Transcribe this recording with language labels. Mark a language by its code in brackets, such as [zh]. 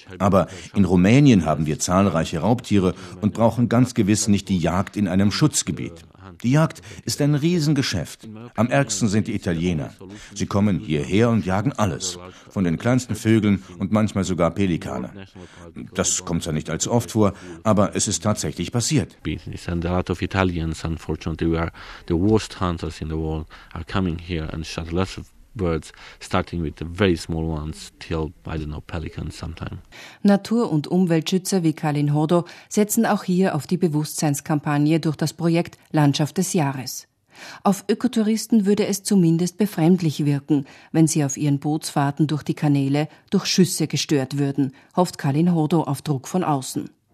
[de] Aber in Rumänien haben wir zahlreiche Raubtiere und brauchen ganz gewiss nicht die Jagd in einem Schutzgebiet. Die Jagd ist ein Riesengeschäft. Am ärgsten sind die Italiener. Sie kommen hierher und jagen alles, von den kleinsten Vögeln und manchmal sogar Pelikane. Das kommt zwar nicht allzu oft vor, aber es ist tatsächlich passiert. [en] A lot of Italians, unfortunately, we are the worst hunters in the world, are coming here and shot lots of birds, starting with the very small ones till, I don't know, pelicans sometime. [de] Natur- und Umweltschützer wie Karlin Hodo setzen auch hier auf die Bewusstseinskampagne durch das Projekt Landschaft des Jahres. Auf Ökotouristen würde es zumindest befremdlich wirken, wenn sie auf ihren Bootsfahrten durch die Kanäle durch Schüsse gestört würden, hofft Karlin Hodo auf Druck von außen.